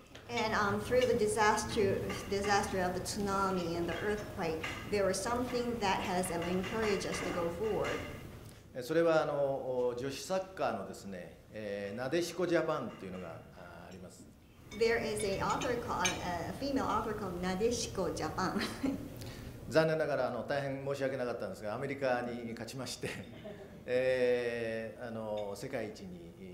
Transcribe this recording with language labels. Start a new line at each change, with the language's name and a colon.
English: And through the disaster of the tsunami and the earthquake, there was something that has encouraged us to go forward.
Japanese: それは女子サッカーのですね、なでしこジャパンっていうのがあります。
English: There is an author called a female author called なでしこジャパン。
Japanese: 残念ながら大変申し訳なかったんですが、アメリカに勝ちまして、世界一に。